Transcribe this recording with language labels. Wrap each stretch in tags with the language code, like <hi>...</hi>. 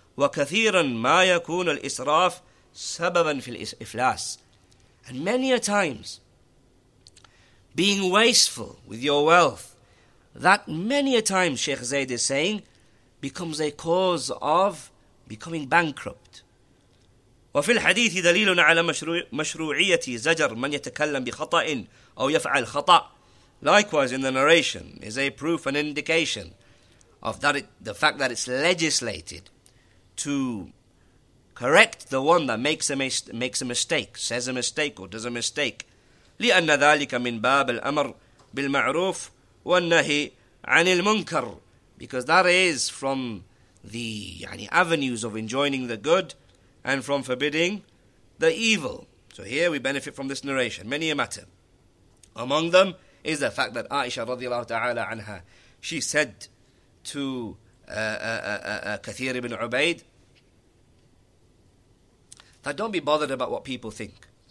<ar>وَكَثِيرًا مَا يَكُونُ الْإِسْرَافِ سَبَبًا فِي الْإِفْلَاسِ.</ar> <en>And many a times, being wasteful with your wealth, that many a times, Sheikh Zayd is saying, becomes a cause of becoming bankrupt.</en> <ar>وفي الحديث دليل على مشروعية زجر من يتكلم بخطأ أو يفعل خطأ.</ar> <en>Likewise, in the narration, is a proof, an indication of that the fact that it's legislated to correct the one that makes a mistake, says a mistake or does a mistake.</en> <ar>لأن ذلك من باب الأمر بالمعروف والنهي عن المنكر.</ar> <en>Because that is from the avenues of enjoining the good and from forbidding the evil. So here we benefit from this narration. Many a matter. Among them is the fact that Aisha radiallahu ta'ala anha, she said to Kathir ibn Ubaid, that don't be bothered about what people think.</en>